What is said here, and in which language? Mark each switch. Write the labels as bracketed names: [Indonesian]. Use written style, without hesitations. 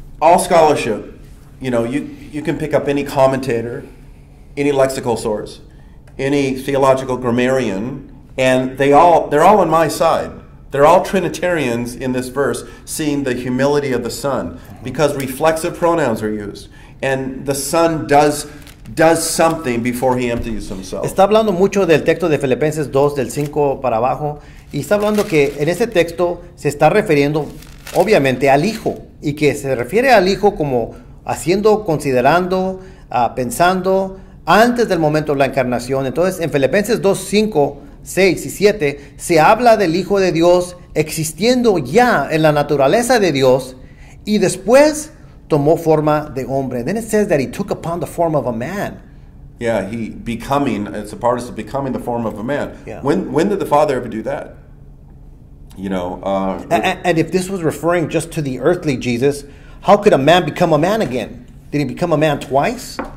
[English] All scholarship, you know, you can pick up any commentator, any lexical source, any theological grammarian, and they're all on my side. They're all Trinitarians in this verse, seeing the humility of the Son, because reflexive pronouns are used, and the Son does something before he empties himself. [Spanish] Está hablando mucho del texto de Filipenses 2, del 5 para abajo, y está hablando que en ese texto se está refiriendo, obviamente, al Hijo, y que se refiere al Hijo como haciendo, considerando, pensando, antes del momento de la encarnación. Entonces, en Filipenses 2, 5, 6 y 7, se habla del Hijo de Dios existiendo ya en la naturaleza de Dios y después tomó forma de hombre. [English] And then it says that he took upon the form of a man. Yeah, he becoming, it's a part of becoming the form of a man. Yeah. When did the Father ever do that? You know. And if this was referring just to the earthly Jesus, how could a man become a man again? Did he become a man twice?